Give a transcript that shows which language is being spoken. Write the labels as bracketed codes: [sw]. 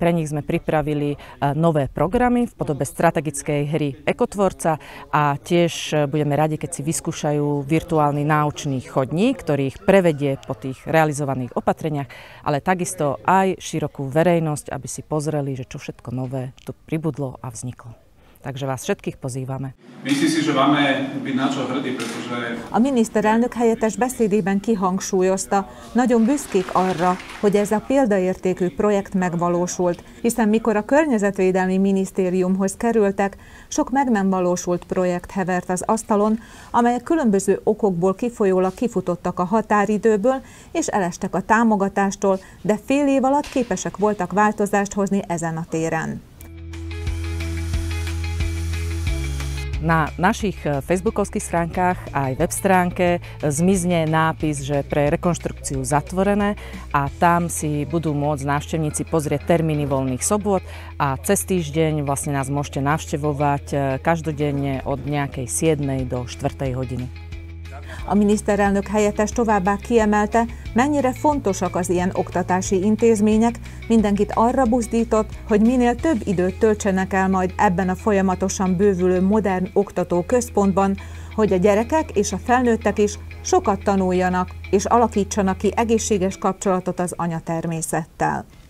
[sk] Pre nich sme pripravili nové programy v podobe strategickej hry Ekotvorca a tiež budeme radi, keď si vyskúšajú virtuálny náučný chodník, ktorých prevedie po tých realizovaných opatreniach, ale takisto aj širokú verejnosť, aby si pozreli, že čo všetko nové tu pribudlo a vzniklo. Takže vás všetkých pozývame. Myslím si, že máme byť na čo hrdí, pretože... [hu] A miniszterelnök helyettes beszédében kihangsúlyozta, nagyon büszkék arra, hogy ez a példaértékű projekt megvalósult, hiszen mikor a környezetvédelmi minisztériumhoz kerültek, sok meg nem valósult projekt hevert az asztalon, amelyek különböző okokból kifolyólag kifutottak a határidőből, és elestek a támogatástól, de fél év alatt képesek voltak változást hozni ezen a téren. [sk] Na našich facebookovských stránkach a aj web stránke zmizne nápis, že pre rekonštrukciu zatvorené a tam si budú môcť návštevníci pozrieť termíny voľných sobôd a cez týždeň vlastne nás môžete navštevovať každodenne od nejakej 7. do 4. hodiny. [hu] A miniszterelnök helyettes továbbá kiemelte, mennyire fontosak az ilyen oktatási intézmények, mindenkit arra buzdított, hogy minél több időt töltsenek el majd ebben a folyamatosan bővülő modern oktató központban, hogy a gyerekek és a felnőttek is sokat tanuljanak és alakítsanak ki egészséges kapcsolatot az anyatermészettel.